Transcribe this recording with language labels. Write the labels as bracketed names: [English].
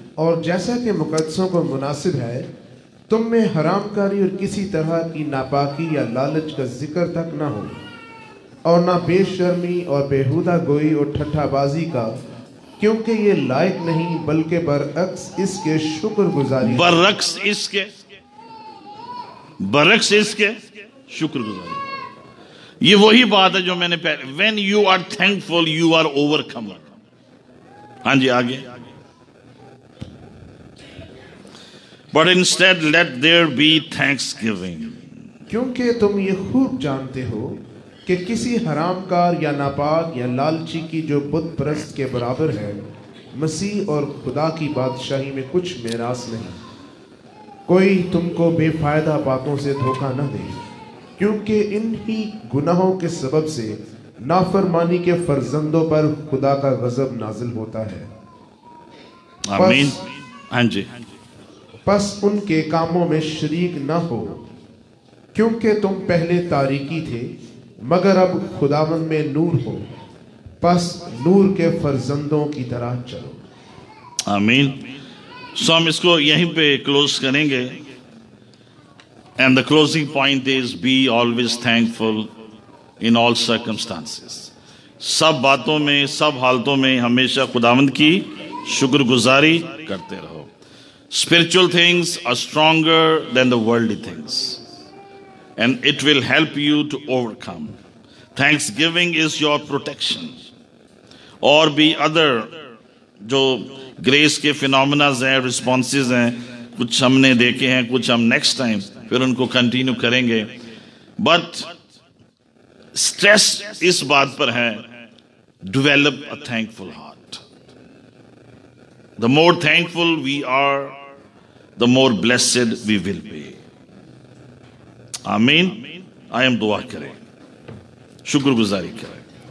[Hindi] और जैसा कि मुकद्दसों को मुनासिब है तुम में हरामकारी और किसी तरह की नापाकी या लालच का जिक्र तक ना हो और ना बेशर्मी और बेहुदा गोई और ठट्ठाबाजी का क्योंकि ये लायक नहीं बल्कि बरअक्स इसके शुक्रगुजारी. बरअक्स इसके शुक्रगुजारी. ये वही बात है जो मैंने पहले. [English] When you are thankful you are overcome. [Hindi] हां जी आगे. [English] But instead, let there be thanksgiving. [Hindi] क्योंकि तुम ये खूब जानते हो कि किसी हरामकार या नापाक या लालची की जो बुत परस्त के बराबर है मसीह और खुदा की बादशाही में कुछ मेरास नहीं. कोई तुमको बेफायदा बातों से धोखा न दे क्योंकि इन्हीं गुनाहों के सबब से नाफरमानी के फर्जंदों पर खुदा का गजब नाजिल होता है. आमीन. हाँ जी. बस उनके कामों में शरीक न हो क्योंकि तुम पहले तारीकी थे मगर अब खुदावंद में नूर हो. बस नूर के फर्जंदों की तरह चलो. आमीन. सो हम इसको यहीं पे क्लोज करेंगे. [English] And the closing point is be always thankful in all circumstances. [Hindi] सब बातों में सब हालतों में हमेशा खुदावंद की शुक्रगुजारी करते रहो. [English] Spiritual things are stronger than the worldly things, and it will help you to overcome. Thanksgiving is your protection. Or be other, [Hindi] जो grace के phenomena हैं, responses हैं, कुछ हमने देखे हैं, कुछ हम next time फिर उनको continue करेंगे. [English] But stress [Hindi] इस बात पर है, [English] develop a thankful heart. The more thankful we are, the more blessed we will be. [Hindi] Amen. I am dua kare. Shukr guzari kare.